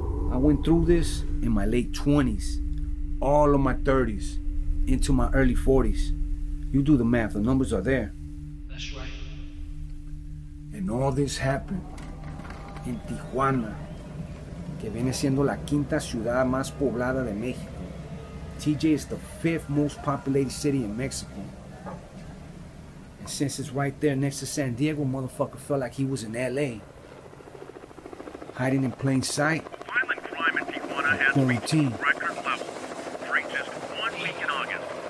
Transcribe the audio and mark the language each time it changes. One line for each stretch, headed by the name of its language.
English: I went through this in my late 20s, all of my 30s, into my early 40s. You do the math, the numbers are there. That's right. And all this happened in Tijuana,
Spanish: que viene siendo la quinta ciudad más poblada de México.
English: TJ is the fifth most populated city in Mexico. And since it's right there next to San Diego, motherfucker felt like he was in LA. Hiding in plain sight. Violent crime in Tijuana has reached a record level during just 1 week in August.